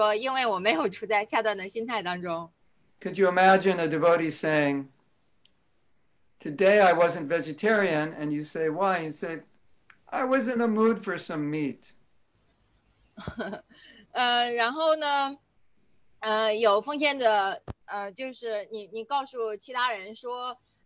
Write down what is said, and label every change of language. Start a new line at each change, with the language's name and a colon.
Chinese: 那么出现的结果可能就是说，今天你告诉我说，你根本就没有念诵你的加法。我问你为什么呢？你说因为我没有处在恰当的心态当中。Could
English: you imagine a devotee saying, "Today I wasn't vegetarian," and you say why? You say, "I was in the mood for some meat."
Chinese: 然后呢，有奉献的，就是你告诉其他人说。